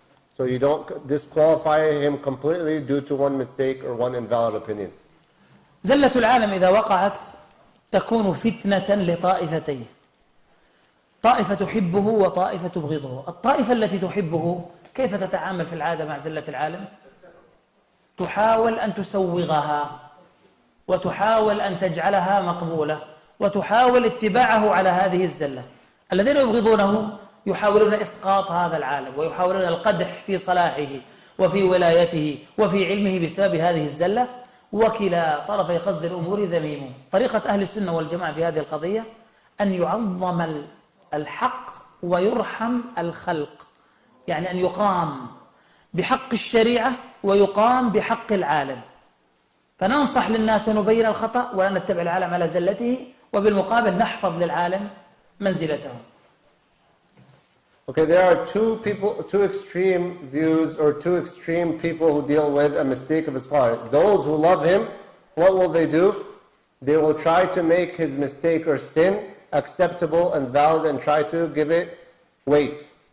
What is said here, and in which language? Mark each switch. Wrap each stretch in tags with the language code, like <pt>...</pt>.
<en>So you don't disqualify him completely due to one mistake or one invalid opinion.</en> <ar>زلة العالم إذا وقعت تكون فتنة لطائفتين، طائفة تحبه وطائفة تبغضه. الطائفة التي تحبه كيف تتعامل في العادة مع زلة العالم؟ تحاول أن تسوغها وتحاول أن تجعلها مقبولة وتحاول اتباعه على هذه الزلة. الذين يبغضونه يحاولون إسقاط هذا العالم ويحاولون القدح في صلاحه وفي ولايته وفي علمه بسبب هذه الزلة، وكلا طرفي قصد الأمور ذميم. طريقة أهل السنة والجماعة في هذه القضية أن يعظم الحق ويرحم الخلق، يعني أن يقام بحق الشريعة ويقام بحق العالم. فننصح للناس ونبين الخطأ ولا نتبع العالم على زلته، وبالمقابل نحفظ للعالم منزلته.</ar> <en>Okay, there are two people, two extreme views or two extreme people who deal with a mistake of a scholar. Those who love him, what will they do? They will try to make his mistake or sin acceptable and valid and try to give it weight.</en>